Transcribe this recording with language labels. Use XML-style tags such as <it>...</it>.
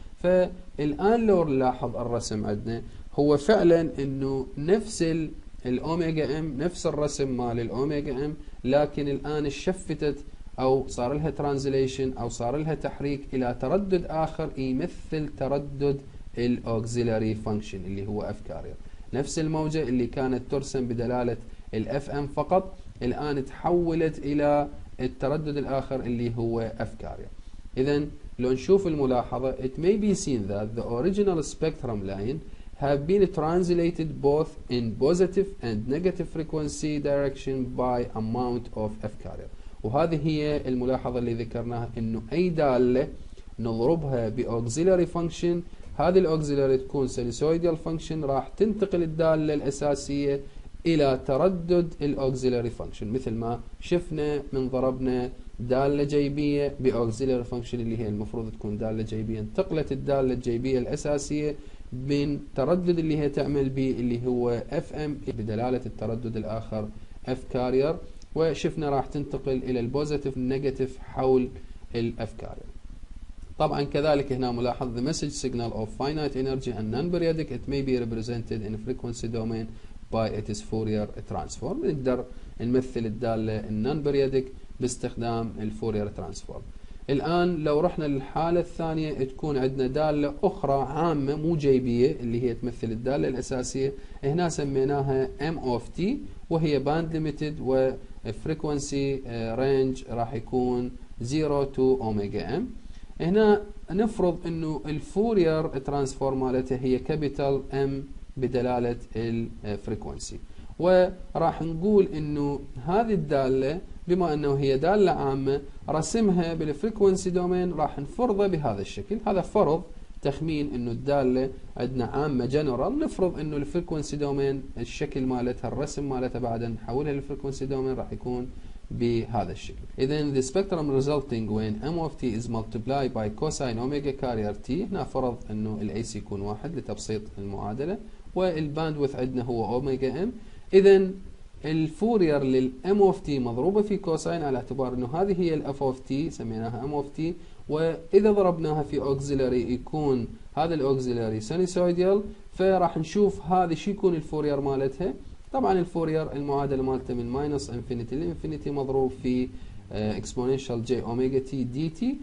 <ar>فالآن لو نلاحظ الرسم عندنا هو فعلا انه نفس الاوميجا ام نفس الرسم مال الاوميجا ام، لكن الان شفتت او صار لها ترانزليشن او صار لها تحريك الى تردد اخر يمثل تردد الاوكسيلاري فانكشن اللي هو اف كارير. نفس الموجه اللي كانت ترسم بدلاله الاف ام فقط الان تحولت الى التردد الاخر اللي هو اف كارير. اذا لو نشوف الملاحظه</ar> <en>it may be seen that the original spectrum line have been translated both in positive and negative frequency direction by amount of F carrier.</en> <ar>وهذه هي الملاحظة اللي ذكرناها إنه أي دالة نضربها بauxiliary function هذه الauxiliary تكون sinusoidal function راح تنتقل الدالة الأساسية إلى تردد الأوكسيلاري فانكشن، مثل ما شفنا من ضربنا دالة جيبية بأوكسيلاري فانكشن اللي هي المفروض تكون دالة جيبية، انتقلت الدالة الجيبية الأساسية من تردد اللي هي تعمل به اللي هو FM بدلالة التردد الآخر F carrier، وشفنا راح تنتقل إلى البوزيتيف نيجاتيف حول ال F carrier. طبعا كذلك هنا ملاحظ</ar> <en>the message signal of finite energy and non-periodic it may be represented in frequency domain by its Fourier transform.</en> <ar>نقدر نمثل الدالة non-periodic باستخدام الفورير ترانسفورم. الآن لو رحنا للحالة الثانية تكون عندنا دالة أخرى عامة مو جيبية اللي هي تمثل الدالة الأساسية، هنا سميناها M of T وهي band limited و frequency range راح يكون 0 to omega M. هنا نفرض أنه الفورير ترانسفورم مالتها هي capital M بدلالة الفريكونسي، وراح نقول أنه هذه الدالة بما أنه هي دالة عامة رسمها بالفريكونسي دومين راح نفرضها بهذا الشكل. هذا فرض تخمين أنه الدالة عندنا عامة جنرال، نفرض أنه الفريكونسي دومين الشكل مالتها الرسم مالتها بعد نحولها للفريكونسي دومين راح يكون بهذا الشكل. إذن</ar> <en>the spectrum resulting when M of T is multiplied by cosine omega carrier T،</en> <ar>هنا فرض أنه الـ AC يكون واحد لتبسيط المعادلة، والباندوث عندنا هو أوميجا M. إذن الفورير للـ M of T مضروبة في كوساين على اعتبار أنه هذه هي الـ F of T سميناها M of T، وإذا ضربناها في أوكسيلاري يكون هذا الأوكسيلاري سينوسويدال، فراح نشوف هذه شو يكون الفورير مالتها. طبعا الفورير المعادلة مالته من ماينس انفينيتي لانفينيتي مضروب في اكسبونينشال جي اوميجا تي دي تي.</ar>